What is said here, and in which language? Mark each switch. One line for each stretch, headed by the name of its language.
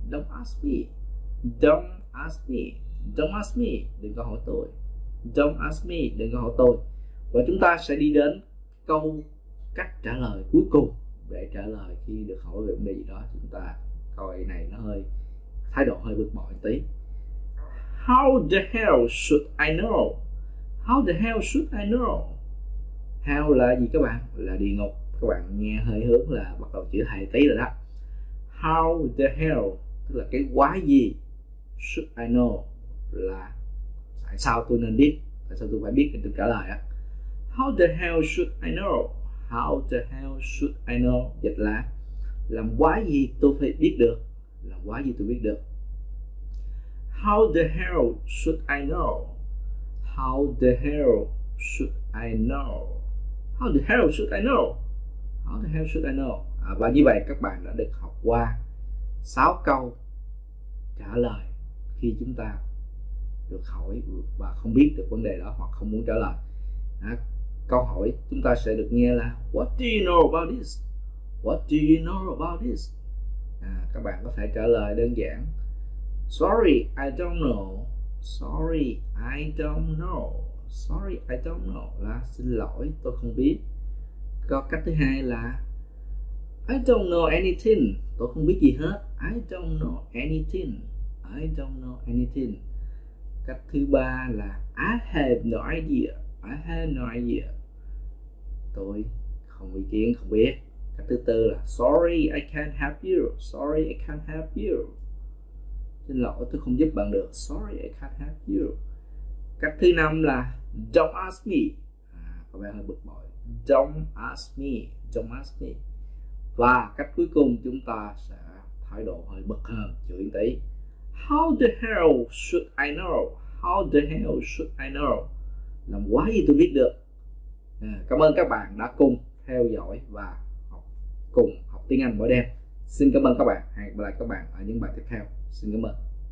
English: Don't ask me. Don't ask me. Don't ask me.
Vietnamese: Đừng có hỏi tôi.
English: Don't ask me. Đừng có hỏi tôi.
Vietnamese: Và chúng ta sẽ đi đến câu cách trả lời cuối cùng để trả lời khi được hỏi về vấn đề gì đó. Chúng ta coi này nó hơi thái độ hơi bực bội tí.
English: How the hell should I know? How the hell should I know?
Vietnamese: Hell là gì các bạn? Là địa ngục. Các bạn nghe hơi hướng là bắt đầu chữ thầy tí rồi đó.
English: How the hell,
Vietnamese: tức là cái quái gì,
English: should I know,
Vietnamese: là tại sao tôi nên biết, tại sao tôi phải biết để được trả lời á.
English: How the hell should I know? How the hell should I know?
Vietnamese: Dịch là làm quái gì tôi phải biết được? Làm quái gì tôi biết được?
English: How the hell should I know? How the hell should I know? How the hell should I know? How the hell should I know?
Vietnamese: À, và như vậy các bạn đã được học qua 6 câu trả lời khi chúng ta được hỏi và không biết được vấn đề đó hoặc không muốn trả lời. À, câu hỏi chúng ta sẽ được nghe là
English: What do you know about this? What do you know about this?
Vietnamese: À, các bạn có thể trả lời đơn giản
English: Sorry, I don't know. Sorry, I don't know. Sorry, I don't know
Vietnamese: là xin lỗi, tôi không biết. Còn cách thứ hai là
English: I don't know anything.
Vietnamese: Tôi không biết gì hết.
English: I don't know anything. I don't know anything.
Vietnamese: Cách thứ ba là
English: I have no idea. I have no idea.
Vietnamese: Tôi không ý kiến, không biết. Cách thứ tư là
English: Sorry, I can't help you. Sorry, I can't help you.
Vietnamese: Xin lỗi, tôi không giúp bạn được.
English: Sorry, I can't help you.
Vietnamese: Cách thứ năm là
English: Don't ask me.
Vietnamese: À, có vẻ hơi bực bội.
English: Don't ask me. Don't ask me.
Vietnamese: Và cách cuối cùng chúng ta sẽ thái độ hơi bực hơn, chửi tí.
English: How the hell should I know? How the hell should I know?
Vietnamese: Làm quái gì tôi biết được? À, cảm ơn các bạn đã cùng theo dõi và cùng học tiếng Anh mỗi đêm. Xin cảm ơn các bạn. Hẹn gặp lại các bạn ở những bài tiếp theo. Xin cảm ơn.